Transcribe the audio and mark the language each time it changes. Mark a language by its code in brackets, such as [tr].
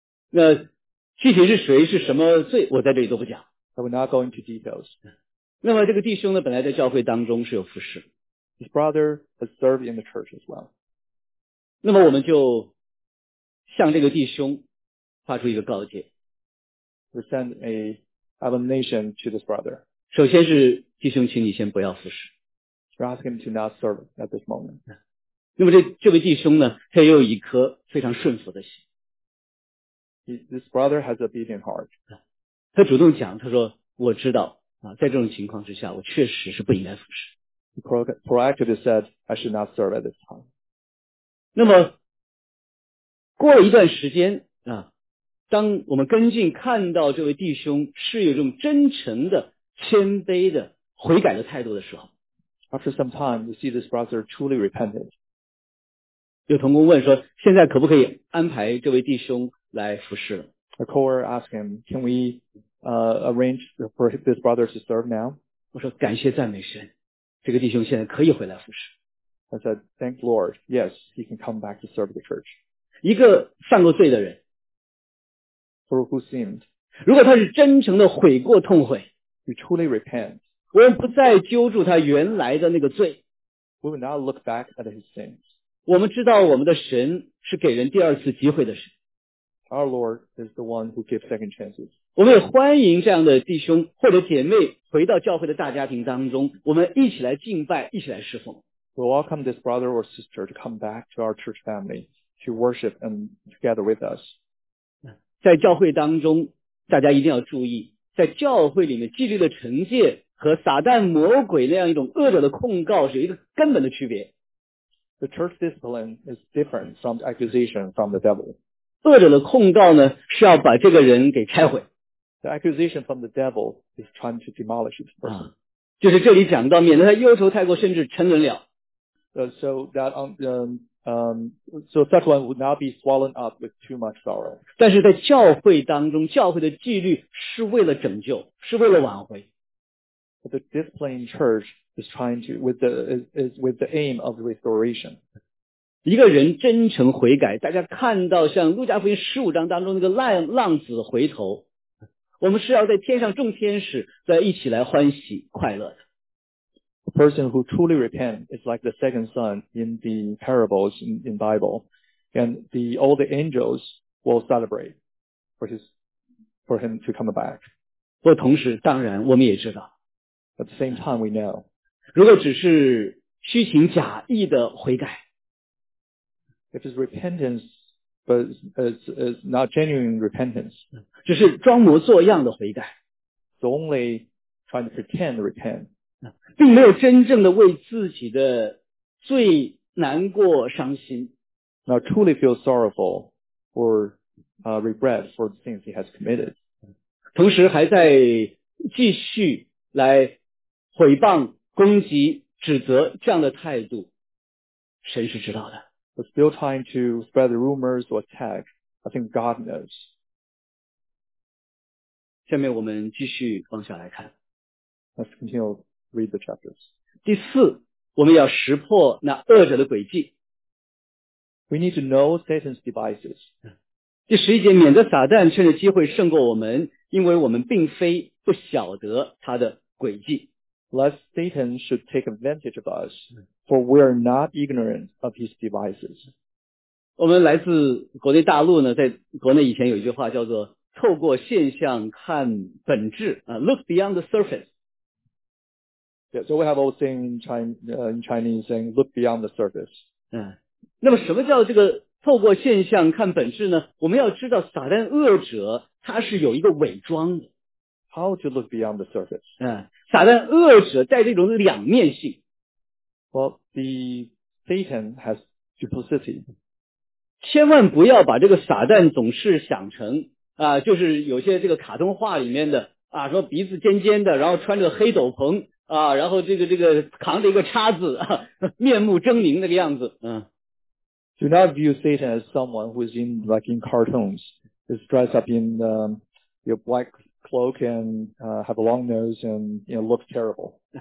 [zh] 那具体是谁是什么罪我在这里都不讲。 [en] I will not go into details. [zh] 那么这个弟兄呢本来在教会当中是有服侍。 [en] His brother has served in the church as well. [zh] 那么我们就向这个弟兄发出一个告诫。 [en] We send a admonition to this brother. [zh] 首先是弟兄请你先不要服侍。 [en] We're asking him to not serve at this moment. [zh] 那么这位弟兄呢他也有一颗非常顺服的心。 [en] This brother has a beating heart. [zh] 他主动讲他说我知道啊，在这种情况之下我确实是不应该服侍。 [en] He proactively said, I should not serve at this time. [zh] 那么过了一段时间啊，当我们跟进看到这位弟兄是有这种真诚的谦卑的悔改的态度的时候。 [en] After some time, we see this brother truly repented. [zh] 有同工问说现在可不可以安排这位弟兄来服侍 [en] 了。A caller asked him, can we, arrange for this brother to serve now? [zh] 我说感谢赞美神这个弟兄现在可以回来服侍。 [en] I said, thank Lord, yes, he can come back to serve the church. [zh] 一个犯过罪的人。 [en] For who sinned? [zh] 如果他是真诚的悔过痛悔。 [en] He truly repents. [zh] 我们不再揪住他原来的那个罪。 [en] We will not look back at his sins. [zh] 我们知道我们的神是给人第二次机会的神。 [en] Our Lord is the one who gives second chances. [zh] 我们也欢迎这样的弟兄或者姐妹回到教会的大家庭当中，我们一起来敬拜，一起来侍奉。 [en] We welcome this brother or sister to come back to our church family to worship and together with us. [zh] 在教会当中，大家一定要注意，在教会里面纪律的惩戒和撒旦魔鬼那样一种恶者的控告是一个根本的区别。 [en] The church discipline is different from the accusation from the devil. [zh] 恶者的控告呢是要把这个人给拆毁。 [en] The accusation from the devil is trying to demolish this person. [zh] 就是这里讲到免得他忧愁太过甚至沉沦了。 [en] So such one would not be swollen up with too much sorrow. [zh] 但是在教会当中教会的纪律是为了拯救是为了挽回。 [en] But the discipline in church is with the aim of restoration. [zh] 一个人真诚悔改大家看到像路加福音15章当中那个浪子回头我们是要在天上众天使在一起来欢喜快乐的。 [en] A person who truly repents is like the second son in the parables in Bible. And all the angels will celebrate for him to come back. [zh] 不过同时当然我们也知道。 [en] At the same time, we know. [zh] 如果只是虚情假意的悔改。 [en] If his repentance but it's not genuine repentance. [zh] 只是装模作样的悔改。 [en] It's only trying to pretend to repent. [zh] 并没有真正的为自己的罪难过伤心。 [en] Now truly feel sorrowful for regret for the things he has committed. [zh] 同时还在继续来毁谤、攻击、指责这样的态度，神是知道的。 [en] But still trying to spread the rumors or attack, I think God knows. [zh] 下面我们继续往下来看。 [en] Let's continue read the chapters. [zh] 第四，我们要识破那恶者的诡计。 [en] We need to know Satan's devices. [zh] 第十一节，免得撒旦趁着机会胜过我们，因为我们并非不晓得他的诡计。 [en] Lest Satan should take advantage of us, for we are not ignorant of his devices. [zh] 我们来自国内大陆呢，在国内以前有一句话叫做透过现象看本质、 [en] look beyond the surface. Yeah, so we have a saying in Chinese saying, look beyond the surface. [zh] 那么什么叫这个透过现象看本质呢？我们要知道撒旦恶者他是有一个伪装的。 [en] How to look beyond the surface? [zh] 撒旦恶者带着一种两面性。 [en] Well, the Satan has duplicity. [zh] 千万不要把这个撒旦总是想成就是有些这个卡通画里面的说鼻子尖尖的，然后穿着黑斗篷然后这个扛着一个叉子面目狰狞那个样子。 [en] Do not view Satan as someone who is in, like, in cartoons. He's dressed up in your black cloak and have a long nose and, you know, looks terrible.